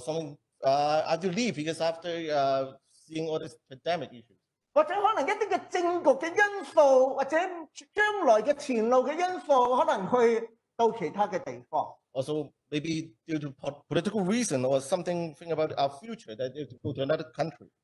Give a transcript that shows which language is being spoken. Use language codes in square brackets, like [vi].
[en] some, I do leave because after seeing all this pandemic issues. [yue] 或者可能一啲嘅政局嘅因素，或者將來嘅前路嘅因素，可能去到其他嘅地方。Also, [en] maybe due to political reason or something think about our future that they have to go to another country.